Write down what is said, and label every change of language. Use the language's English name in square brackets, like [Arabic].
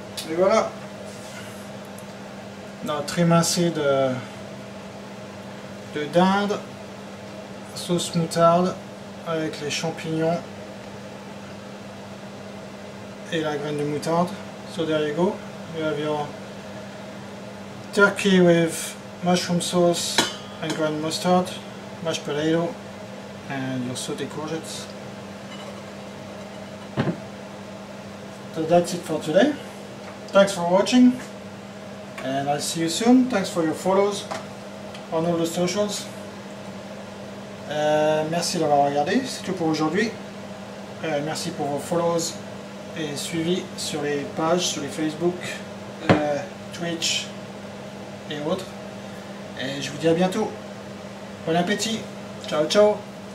[French] Et voilà, notre émincé de dinde, sauce moutarde avec les champignons et la graine de moutarde. [English] So there you go, you have your turkey with mushroom sauce and grain mustard, mashed potato and your sauteed courgettes. So that's it for today. Thanks for watching, and I'll see you soon. Thanks for your follows on all the socials. [French] Merci d'avoir regardé, c'est tout pour aujourd'hui. Merci pour vos follows et suivis sur les pages, sur les Facebook, Twitch et autres. Et je vous dis à bientôt. Bon appétit. Ciao, ciao.